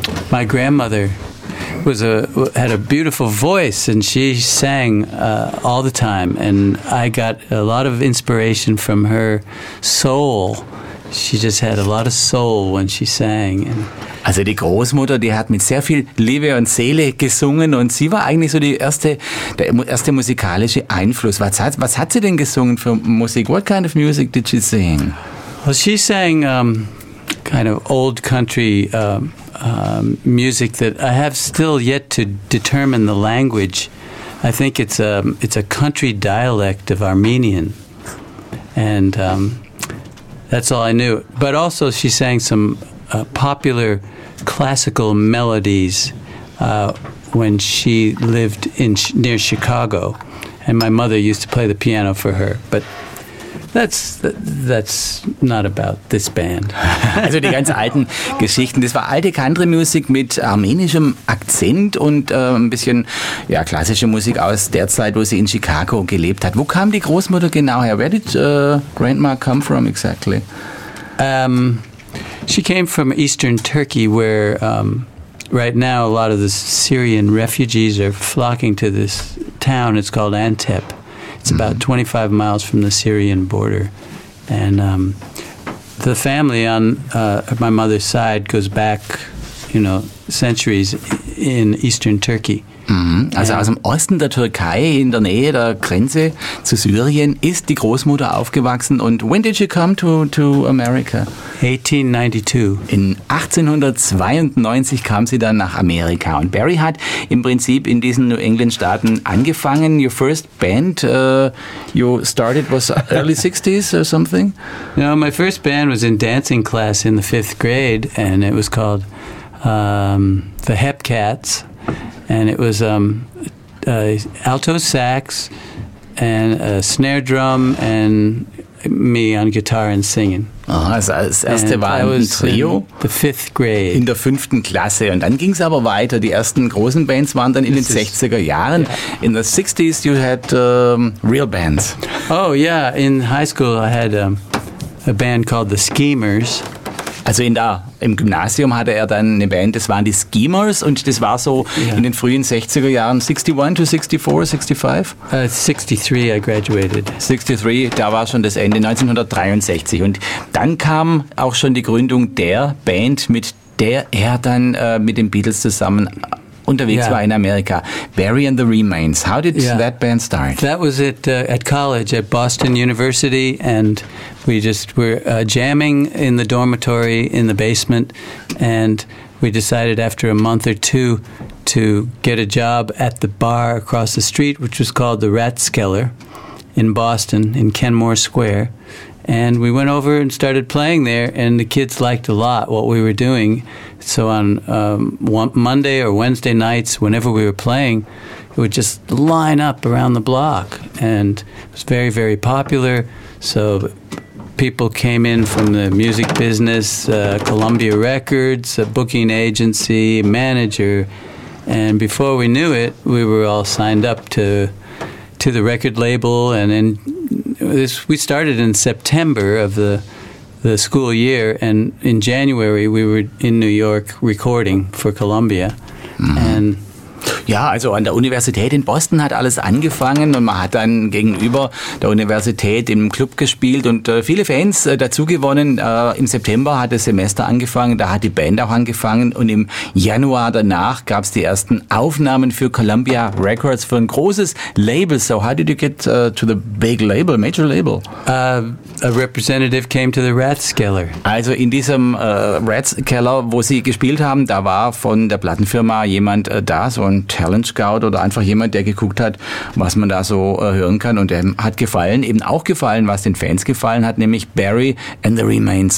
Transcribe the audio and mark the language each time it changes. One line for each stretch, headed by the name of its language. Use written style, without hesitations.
English: My grandmother had a beautiful voice, and she sang all the time, and I got a lot of inspiration from her soul. She just had a lot of soul when she sang.
German: Also die Großmutter, die hat mit sehr viel Liebe und Seele gesungen, und sie war eigentlich so der erste musikalische Einfluss. Was hat sie denn gesungen für Musik?
English: What kind of music did she sing? Well, she sang kind of old country music that I have still yet to determine the language. I think it's a country dialect of Armenian, and that's all I knew. But also she sang some popular classical melodies when she lived in near Chicago, and my mother used to play the piano for her. But That's not about this band.
German: Also die ganz alten Geschichten. Das war alte Country-Musik mit armenischem Akzent und ein bisschen ja, klassische Musik aus der Zeit, wo sie in Chicago gelebt hat. Wo kam die Großmutter genau her?
English: Where did Grandma come from exactly? She came from eastern Turkey, where right now a lot of the Syrian refugees are flocking to this town. It's called Antep. It's about 25 miles from the Syrian border. And the family on my mother's side goes back, you know, centuries in eastern Turkey.
German: Also aus dem Osten der Türkei, in der Nähe der Grenze zu Syrien, ist die Großmutter aufgewachsen.
English: Und when did you come to America? 1892.
German: In 1892 kam sie dann nach Amerika. Und Barry hat im Prinzip in diesen New England Staaten angefangen.
English: Your first band you started was early 60s or something? No, my first band was in dancing class in the fifth grade. And it was called the Hepcats. And it was alto sax and a snare drum and me on guitar and singing.
German: Aha, also das erste war ein Trio.
English: The fifth grade.
German: In der fünften Klasse. Und dann ging es aber weiter. Die ersten großen Bands waren dann in den 60er Jahren.
English: Yeah. In the 60s you had real bands. Oh yeah, in high school I had a band called the Schemers.
German: Also im Gymnasium hatte er dann eine Band, das waren die Schemers, und das war so in den frühen 60er Jahren,
English: 61 to 64,
German: 65?
English: 63, I graduated.
German: 63, da war schon das Ende, 1963. Und dann kam auch schon die Gründung der Band, mit der er dann mit den Beatles zusammen unterwegs war in Amerika.
English: Barry and the Remains, how did that band start? That was at college at Boston University, and we just were jamming in the dormitory in the basement, and we decided after a month or two to get a job at the bar across the street, which was called the Ratskeller in Boston, in Kenmore Square. And we went over and started playing there, and the kids liked a lot what we were doing. So on Monday or Wednesday nights, whenever we were playing, it would just line up around the block. And it was very, very popular. So people came in from the music business, Columbia Records, a booking agency, manager. And before we knew it, we were all signed up to the record label, and then we started in September of the school year, and in January we were in New York recording for Columbia. Mm-hmm. And
German: ja, also an der Universität in Boston hat alles angefangen und man hat dann gegenüber der Universität im Club gespielt und viele Fans dazu gewonnen. Im September hat das Semester angefangen, da hat die Band auch angefangen und im Januar danach gab es die ersten Aufnahmen für Columbia Records, für ein großes Label.
English: So how did you get to the big label, major label? A representative came to the Ratskeller.
German: Also in diesem Ratskeller, wo sie gespielt haben, da war von der Plattenfirma jemand da, so ein Talent Scout oder einfach jemand, der geguckt hat, was man da so hören kann. Und dem hat gefallen, eben auch gefallen, was den Fans gefallen hat, nämlich Barry and the Remains.